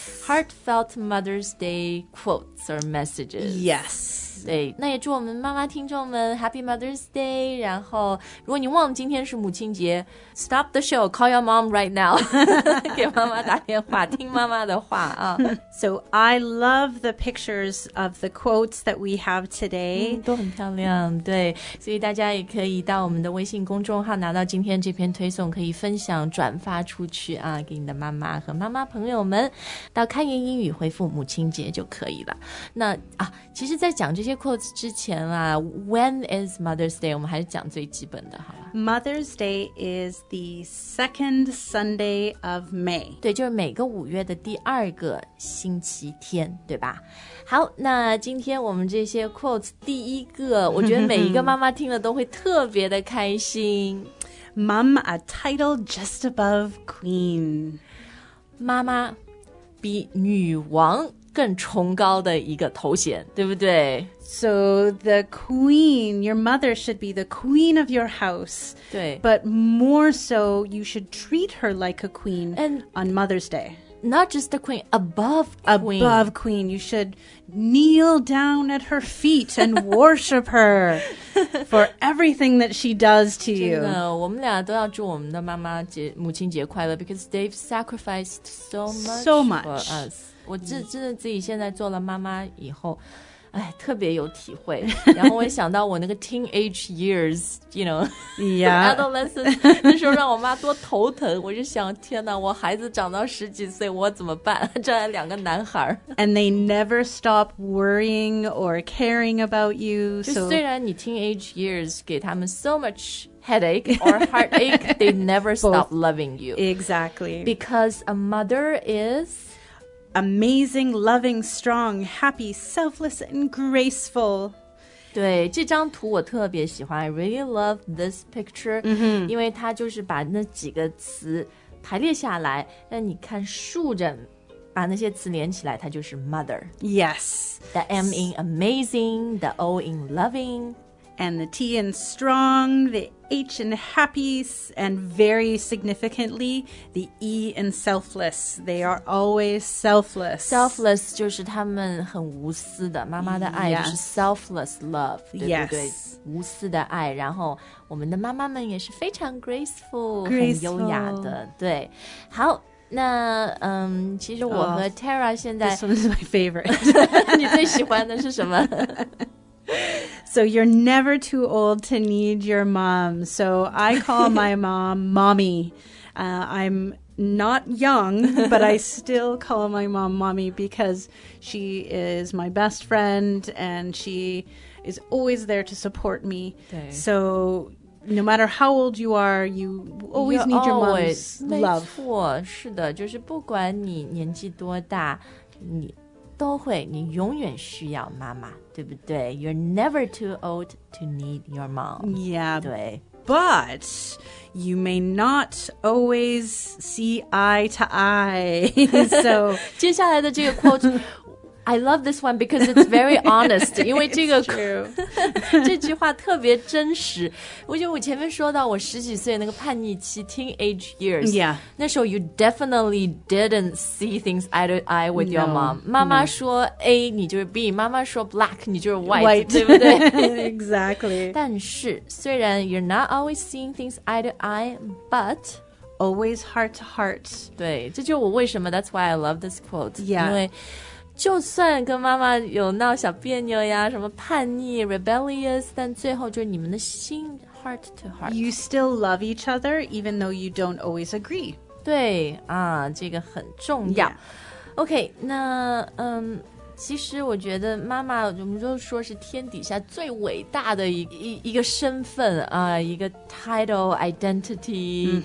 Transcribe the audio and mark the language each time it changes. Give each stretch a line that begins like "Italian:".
English: heartfelt Mother's Day quotes or messages。 Yes。
Chinese: 对，那也祝我们妈妈听众们
English: Happy Mother's Day。
Chinese: 然后，如果你忘了今天是母亲节 ，
English: Stop the show， call your mom right now，
Chinese: 给妈妈打电话，听妈妈的话啊。
English: So I love the pictures of the quotes that we have today.、
Chinese: 都很漂亮，对。所以大家也可以到我们的微信公众号拿到今天这篇推送，可以分享转发出去啊，给你的妈妈和妈妈朋友们。到开言英语回复母亲节就可以了。那啊，其实，在讲这些 quotes 之前啊 ，
English: When is Mother's Day？
Chinese: 我们还是讲最基本的好了。
English: Mother's Day is the second Sunday of May。
Chinese: 对，就是每个五月的第二个星期天，对吧？好，那今天我们这些 quotes 第一个，我觉得每一个妈妈听了都会特别的开心。
English: Mom, a title just above queen。
Chinese: 妈妈比女王更崇高的一个头衔，对不对？
English: So the queen, your mother should be the queen of your house.
Chinese: 对
English: But more so, you should treat her like a queen and on Mother's Day. Not just the queen, above queen. Above queen. You should kneel down at her feet and worship her for everything that she does to you.
Chinese: 真的，我们俩都要祝我们的妈妈节，母亲节快乐
English: because they've sacrificed so much for us.
Chinese: 我真的自己现在做了妈妈以后哎，特别有体会。然后我也想到我那个
English: teenage years, you know, yeah,
Chinese: adolescence, 那时候让我妈多头疼。我就想，天哪，我孩子长到十几岁，我怎么办？这两个男孩。
English: And they never stop worrying or caring about you.
Chinese: 就虽然你
English: teenage years
Chinese: 给他们
English: so much headache or heartache, they never stop loving you. Exactly. Because a mother is... Amazing, loving, strong, happy, selfless, and graceful.
Chinese: 对，这张图我特别喜欢。
English: I really love this picture.
Chinese: 因为它就是把那几个词排列下来，让你看竖着把那些词连起来，它就是 mother.
English: Yes. The M in amazing, the O in loving. And the T in strong, the H in happy, and very significantly, the E in selfless. They are always selfless.
Chinese: Selfless 就是他们很无私的，妈妈的爱就是 selfless love, 对不对？
English: Yes.
Chinese: 无私的爱，然后我们的妈妈们也是非常 graceful, 很优雅的，对。好。那其实我和 Tara 现在
English: This one is my favorite.
Chinese: 你最喜欢的是什么？
English: So you're never too old to need your mom. So I call my mom mommy. I'm not young, but I still call my mom mommy because she is my best friend and she is always there to support me. So no matter how old you are, you always need your mom's love.
Chinese: 没错，是的，就是不管你年纪多大，你都会，你永远需要妈妈。对不对
English: You're never too old to need your mom. Yeah.
Chinese: 对
English: But you may not always see eye to eye. So
Chinese: 接下来的这个
English: quote, I love this one because it's very honest.
Chinese: 因为这个
English: true.
Chinese: 这句话特别真实。我觉得我前面说到我十几岁那个叛逆期 teenage years.
English: Yeah.
Chinese: 那时候
English: you definitely didn't see things eye to eye with your mom. No.
Chinese: 妈妈说 A, 你就是 B. 妈妈说 black, 你就是
English: white,
Chinese: 对不对
English: Exactly.
Chinese: 但是虽然
English: you're not always seeing things eye to eye, but... Always heart to heart.
Chinese: 对，这就是我为什么
English: That's why I love this quote. Yeah.
Chinese: 因为就算跟妈妈有闹小别扭呀，什么叛逆 rebellious, 但最后就是你们的心
English: heart to heart. You still love each other, even though you don't always agree.
Chinese: 对啊，这个很重要。
English: Yeah.
Chinese: OK, 那其实我觉得妈妈我们就说是天底下最伟大的 一个身份、一个 title, identity,、